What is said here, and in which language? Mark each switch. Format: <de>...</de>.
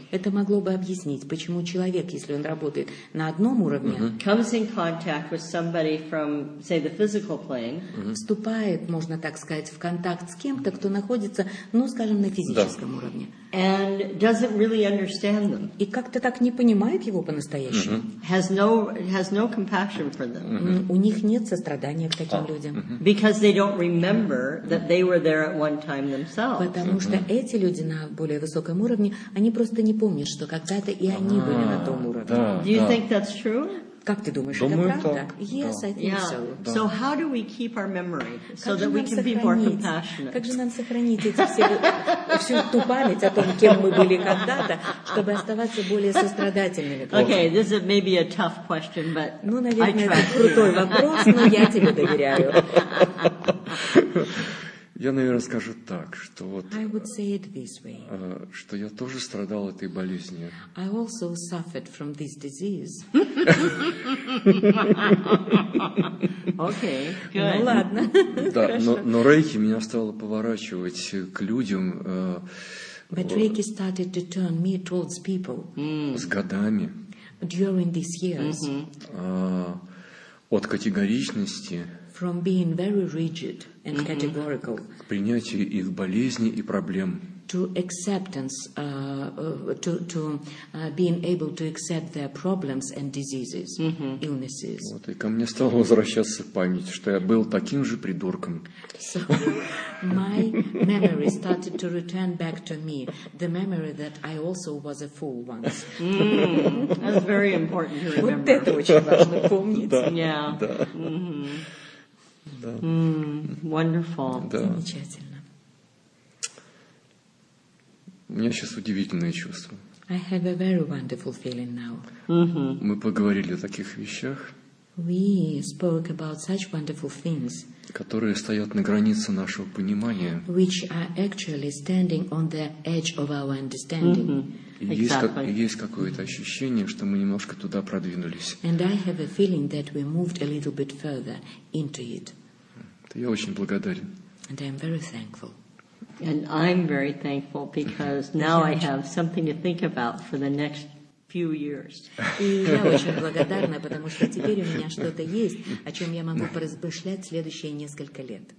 <ru>Это могло бы объяснить, почему человек, если он работает на одном уровне,</ru> <en>comes in contact with somebody from, say, the physical plane.</en> <ru>Вступает, можно так сказать, в контакт с кем-то, кто находится, ну, скажем, на физическом уровне.</ru> <en>And doesn't really understand them.</en> <ru>И как-то так не понимает его по-настоящему.</ru> <en>Has no compassion for them.</en> <ru>У них нет сострадания к таким людям.</ru> <en>Because they don't remember that they were there at one time themselves.</en> <ru>Потому что эти люди на более высоком уровне, они просто не помнят, что когда-то и они были на том уровне. Да,</ru> <en>do you think that's true?</en> <ru>Как ты думаешь, думаю, это правда? Так.</ru> <en>Yes,</en> <ru>да.</ru> <en>I think so. So how do we keep our memory so that we can</en> <ru>сохранить?</ru> <en>Be more compassionate?</en> <ru>Как же нам сохранить эти все, всю ту память о том, кем мы были когда-то, чтобы оставаться более сострадательными?</ru> <en>Okay, this is maybe a tough question, but</en> <ru>ну, наверное, это крутой вопрос, но я тебе доверяю. Я, наверное, скажу так, что вот,</ru> <en>I would say it this way.</en> <ru>Что я тоже страдал этой болезнью.</ru> <en>I also suffered from this disease. Okay, good.</en> <ru>Ну ладно. Да, но Рейки меня стало поворачивать к людям.</ru> <en>But Reiki started to turn me towards people.</en> <ru>С годами.</ru> <en>During these years.</en> <ru>От категоричности.</ru> <en>From being very rigid and categorical.</en> <ru>К принятию их болезни и проблем.</ru> <en>To acceptance, to being able to accept their problems and diseases, illnesses.</en> <ru>Вот, и ко мне стала возвращаться память, что я был таким же придурком.</ru> <en>So, my memory started to return back to me, the memory that I also was a fool once. That's very important to remember.</en> <ru>Вот это очень важно помнить. Да,</ru> <en>yeah.</en> <ru>Да.</ru> <en>Wonderful.</en> <ru>Да. Замечательно. У меня сейчас удивительное чувство.</ru> <en>I have a very wonderful feeling now.</en> <ru>Мы поговорили о таких вещах.</ru> <en>We spoke about such wonderful things.</en> <ru>Которые стоят на границе нашего понимания.</ru> <en>Which are actually standing on the edge of our understanding.</en> <ru>Есть какое-то ощущение, что мы немножко туда продвинулись.</ru> <en>And I have a feeling that we moved a little bit further into it.</en> <ru>Я очень благодарен.</ru> <en>And I'm very thankful. And I'm very thankful because now I have something to think about for the next few years.</en> <ru>И я очень благодарна, потому что теперь у меня что-то есть, о чем я могу поразмышлять следующие несколько лет.</ru>